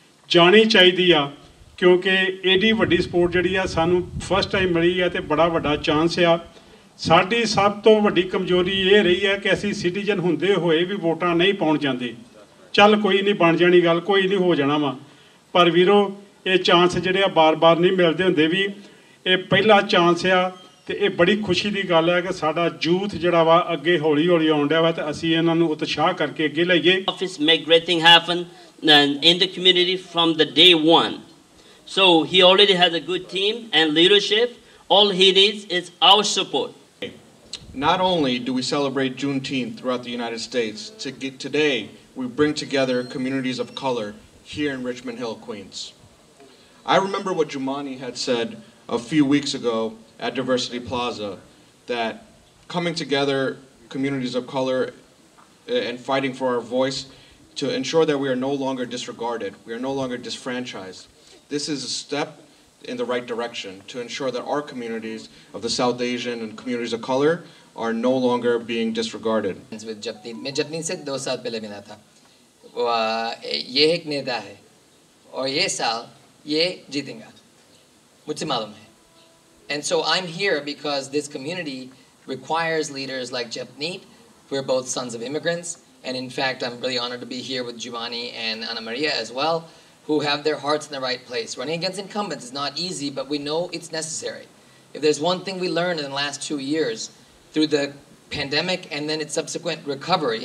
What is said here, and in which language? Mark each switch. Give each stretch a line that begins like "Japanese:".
Punjabi: ਜਾਣੀ ਚਾਹੀਦੀ ਆ ਕਿਉਂਕਿ ਐਡੀ ਵੱਡੀ ਸਪੋਰਟ ਜਿਹੜੀ ਆ ਸਾਨੂੰ ਫਸਟ ਟਾਈਮ ਮਿਲੀ ਆ ਅਤੇ ਬੜਾ ਵੱਡਾ ਚਾਂਸ ਆ ਸਾਡੀ ਸਭ ਤੋਂ ਵੱਡੀ ਕਮਜ਼ੋਰੀ ਇਹ ਰਹੀ ਹੈ ਕਿ ਅਸੀਂ ਸਿਟੀਜ਼ਨ ਹੁੰਦੇ ਹੋਏ ਵੀ ਵੋਟਾਂ ਨਹੀਂ ਪਾਉਣ ਜਾਂਦੇ ਚੱਲ ਕੋਈ ਨਹੀਂ ਬਣ ਜਾਣੀ ਗੱਲ ਕੋਈ ਨਹੀਂ ਹੋ ਜਾਣਾ ਵਾ ਪਰ ਵੀਰੋ ਇਹ ਚਾਂਸ ਜਿਹੜੇ ਆ ਵਾਰ ਵਾਰ ਨਹੀਂ ਮਿਲਦੇ ਹੁੰਦੇ ਵੀ ਇਹ ਪਹਿਲਾ ਚਾਂਸ ਆ ਅਤੇ ਇਹ ਬੜੀ ਖੁਸ਼ੀ ਦੀ ਗੱਲ ਹੈ ਕਿ ਸਾਡਾ ਯੂਥ ਜਿਹੜਾ ਵਾ ਅੱਗੇ ਹੌਲੀ ਹੌਲੀ ਆਉਣ ਡਿਆ ਵਾ ਅਤੇ ਅਸੀਂ ਇਹਨਾਂ ਨੂੰ ਉਤਸ਼ਾਹ ਕਰਕੇ ਅੱਗੇ ਲਈਏ
English: Office make great thing happen in the community from the day one so he already has a good team and leadership all he needs is our support Not only do we celebrate Juneteenth throughout the United States, today we bring together communities of color here in Richmond Hill, Queens. I remember what Jumani had said a few weeks ago at Diversity Plaza, that coming together communities of color and fighting for our voice to ensure that we are no longer disregarded, we are no longer disfranchised. This is a step in the right direction to ensure that our communities of the South Asian and communities of color are no longer being disregarded. With Japneet,
Hindi: मैं जपनीत से 2 साल पहले मिला था. वो ये एक नेता है और ये साल ये जीतेगा. मुझे मालूम है.
English: And so I'm here because this community requires leaders like Japneet. We're both sons of immigrants and in fact I'm really honored to be here with Giovanni and Anna Maria as well who have their hearts in the right place. Running against incumbents is not easy but we know it's necessary. If there's one thing we learned in the last 2 years through the pandemic and then its subsequent recovery.